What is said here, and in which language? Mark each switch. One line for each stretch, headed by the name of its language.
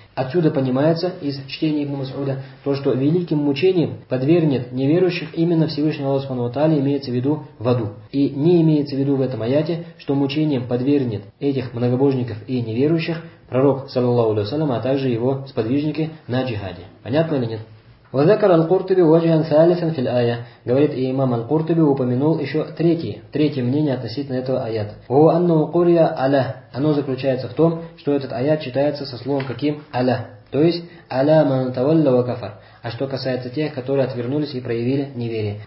Russian: Отсюда понимается из чтения Ибн Масуда то, что великим мучением подвергнет неверующих именно Всевышнего Аллаха Субхану ва Тааля, имеется в виду в аду. И не имеется в виду в этом аяте, что мучением подвергнет этих многобожников и неверующих пророк, саллаллаху алейхи ва саллям, а также его сподвижники на джихаде. Понятно или нет?
Arabic: وذكر القرطبي وجها ثالثا في الآية.
Russian: Говорит и имам Аль-Куртуби упомянул еще третье мнение относительно этого аята.
Arabic: هو أنه قرية على.
Russian: Оно заключается в том, что этот аят читается со словом каким على. То есть
Arabic: على من تولى وكفر.
Russian: А что касается тех, которые отвернулись и проявили неверие.